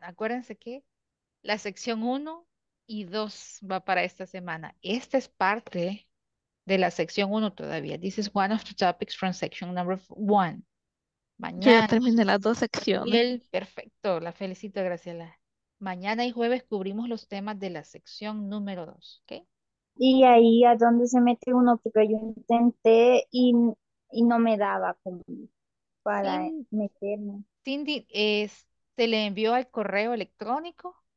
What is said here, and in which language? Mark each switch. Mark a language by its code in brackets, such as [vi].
[es] Acuérdense que la sección 1 y 2 va para esta semana. Esta es parte de la sección 1 todavía. [en] This is one of the topics from section number one. [es] Mañana. Ya terminé las dos secciones. Bien, perfecto. La felicito, Graciela. Mañana y jueves cubrimos los temas de la sección número 2. ¿Okay? ¿Y ahí a dónde se mete uno? Porque yo intenté y no me daba como para meterme. Cindy, ¿te le envió al correo electrónico?